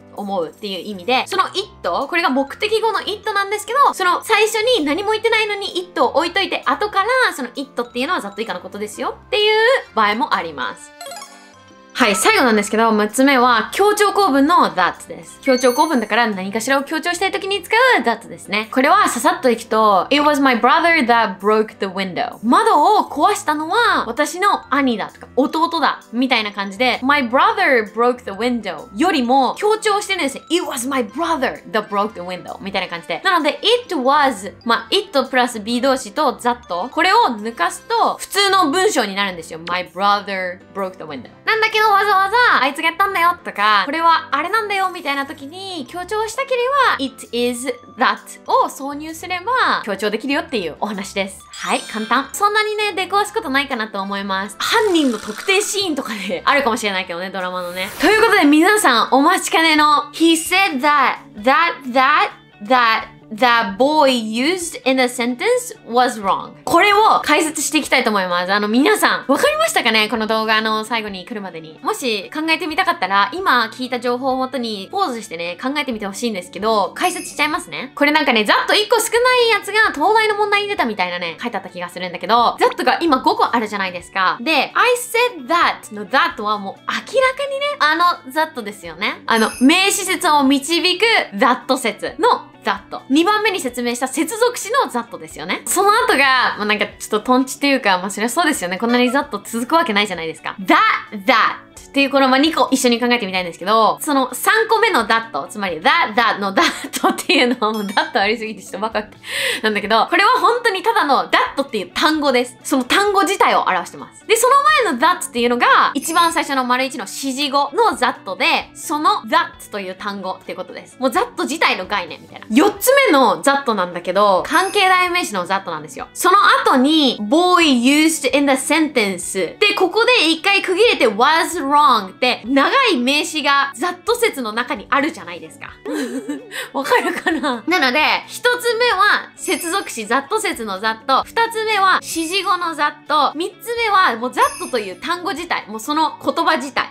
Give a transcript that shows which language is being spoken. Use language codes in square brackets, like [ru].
[ja] 思うっていう意味で、その it、 これが目的語の it なんですけど、その最初に何も言ってないのに it を置いといて、後からその it っていうのはざっと以下のことですよっていう場合もあります。はい、最後なんですけど、6つ目は強調構文の that です。強調構文だから何かしらを強調したい時に使う that ですね。これはささっといくと [en] It was my brother that broke the window。 [ja] 窓を壊したのは私の兄だとか弟だみたいな感じで、 [en] My brother broke the window [ja] よりも強調してるんですね。 [en] It was my brother that broke the window [ja] みたいな感じで、なので It was、 まあ it プラス be 動詞と that、 これを抜かすと普通の文章になるんですよ。 [en] My brother broke the window [ja] なんだけど、わざわざあいつがやったんだよとか、これはあれなんだよみたいな時に強調したければ It is that を挿入すれば強調できるよっていうお話です。はい、簡単。そんなにね、出壊すことないかなと思います。犯人の特定シーンとかで、ね、あるかもしれないけどね、ドラマのね。ということで皆さん、お待ちかねの [en] He said that that that thatThe boy used in the sentence was wrong。 [ja] これを解説していきたいと思います。皆さん、わかりましたかね、この動画の最後に来るまでに。もし考えてみたかったら、今聞いた情報をもとにポーズしてね、考えてみてほしいんですけど、解説しちゃいますね。これなんかね、ざっと1個少ないやつが東大の問題に出たみたいなね、書いてあった気がするんだけど、ざっとが今5個あるじゃないですか。で、 [en] I said that [ja] の that はもう明らかにね、あのざっとですよね。名詞説を導く that 説のザット。二番目に説明した接続詞のザットですよね。その後が、まあ、なんかちょっとトンチというか、まあ、それはそうですよね。こんなにザット続くわけないじゃないですか。 that, that っていうこの、まあ、2個一緒に考えてみたいんですけど、その3個目のザット、つまり that, that のザットっていうのも、ザットありすぎてちょっとバカって、なんだけど、これは本当にただのザットっていう単語です。その単語自体を表してます。で、その前のザットっていうのが、一番最初の丸1の指示語のザットで、そのザットという単語っていうことです。もうザット自体の概念みたいな。4つ目のザットなんだけど、関係代名詞のザットなんですよ。その後に、 [en] boy used in the sentence。 [ja] で、ここで一回区切れて、was wrong って、長い名詞がザット説の中にあるじゃないですか。わかるかな？なので、1つ目は接続詞ザット説のザット、2つ目は指示語のザット、3つ目はもうザットという単語自体、もうその言葉自体。